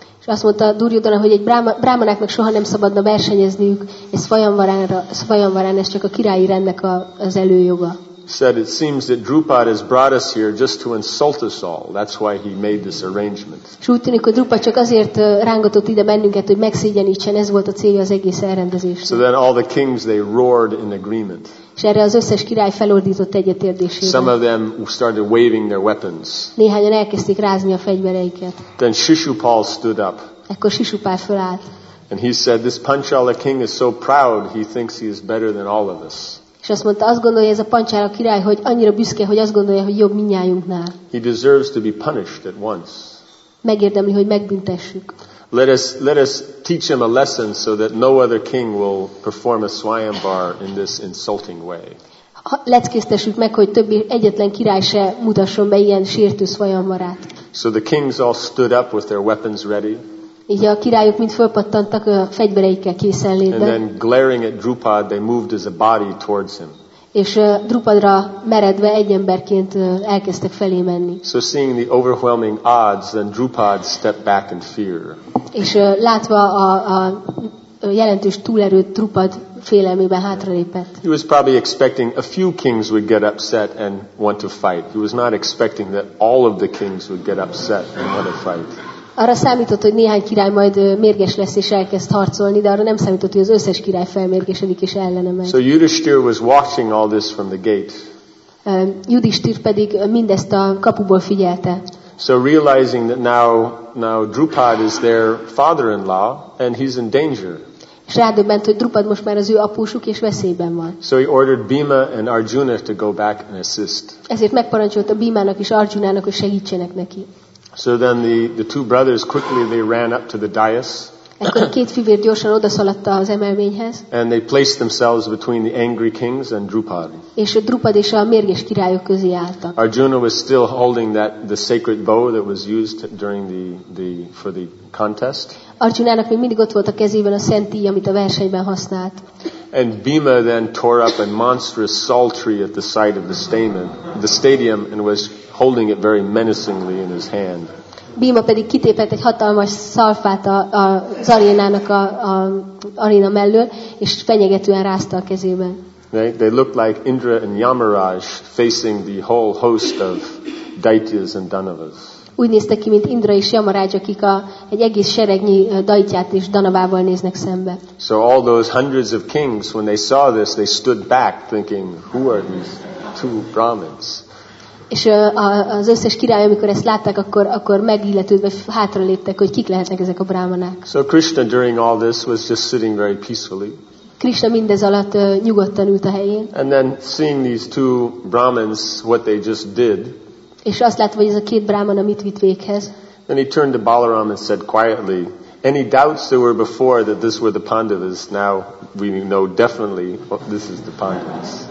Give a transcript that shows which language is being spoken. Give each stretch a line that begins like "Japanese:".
Hungarian: És azt mondta Duryodhana, hogy egy brámanáknak soha nem szabadna versenyezniük egy Svayamvarán, ez csak a királyi rendnek az előjoga.
English: Said it seems that Drupad has brought us here just to insult us all. That's why he made this arrangement.
Hungarian: Úgy tűnik, hogy Drupad csak azért rángatott ide bennünket, hogy megszégyenítsen. Ez volt a célja az egész elrendezésnek.
English: So then all the kings they roared in agreement.
Hungarian: És erre az összes király felordított egyetértésében.
English: Some of them started waving their weapons.
Hungarian: Néhányan elkezdték rázni a fegyvereiket.
English: Then Shishupal stood up.
Hungarian: Ekkor Shishupal fölállt.
English: And he said, "This Panchala king is so proud. He thinks he is better than all of us."
Hungarian: És azt mondta, azt gondolja ez a Panchala király, hogy annyira büszke, hogy azt gondolja, hogy jobb mindnyájunknál.
English: He deserves to be punished at once.
Hungarian: Megérdemli, hogy megbüntessük.
English: Let us teach him a lesson so that no other king will perform a Svayamvar in this insulting way.
Hungarian: Leckésztessük meg, hogy többi egyetlen király se mutasson be ilyen sértő Svayamvarát.
English: So the kings all stood up with their weapons ready.
Hungarian: Így a királyok mind fölpattantak a fegyvereikkel készen létben.
English: And then glaring at Drupad, they moved as a body towards him.
Hungarian: És Drupadra meredve egy emberként elkezdtek felé menni.
English: So seeing the overwhelming odds, then Drupad stepped back in fear.
Hungarian: És látva a jelentős túlerőt, Drupad félelmében hátralépett.
English: He was probably expecting a few kings would get upset and want to fight. He was not expecting that all of the kings would get upset and want to fight.
Hungarian: Arra számított, hogy néhány király majd mérges lesz és elkezd harcolni, de arra nem számított, hogy az összes király felmérgesedik és ellene megy.
English: So Yudhishthir was watching all this from the gate.
Hungarian: Yudhishthir pedig mindezt a kapuból figyelte.
English: So realizing that now Drupad is their father-in-law and he's in danger.
Hungarian: És rádöbbent, hogy Drupad most már az ő apósuk és veszélyben van.
English: So he ordered Bhima and Arjuna to go back and assist.
Hungarian: Ezért megparancsolta Bhimának és Arjunának, hogy segítsenek neki.
English: So then the two brothers quickly they ran up to the dais.
Hungarian: Ekkor a két fivér gyorsan odaszaladt az emelményhez.
English: And they placed themselves between the angry kings and Drupad.
Hungarian: És a Drupad és a mérges királyok közé álltak.
English: Arjuna was still holding the sacred bow that was used during for the contest.
Hungarian: Arjunának még mindig ott volt a kezében a szent íj, amit a versenyben használt.
English: And Bhima then tore up a monstrous psaltery at the side of the stadium and was holding it very menacingly in his hand.
Hungarian: Bhima pedig kitépett egy hatalmas szalfát az arénának a aréna mellől, és fenyegetően rázta a kezében.
English: They looked like Indra and Yamaraj facing the whole host of daityas and danavas.
Hungarian: Úgy néztek ki, mint Indra és Yamaraj, akik egy egész seregnyi daityát és danavával néznek szembe.
English: So all those hundreds of kings, when they saw this, they stood back thinking, who are these two Brahmins?
Hungarian: És az összes király, amikor ezt látták, akkor megilletődve hátraléptek, hogy kik lehetnek ezek a brámanák.
English: So Krishna during all this was just sitting very peacefully.
Hungarian: Krishna mindez alatt nyugodtan ült a helyén.
English: And then seeing these two Brahmins, what they just did.
Hungarian: És azt látva, hogy ez a két brámana mit vitt véghez.
English: Then he turned to Balaram and said quietly, any doubts there were before that this were the Pandavas, now we know definitely this is the Pandavas.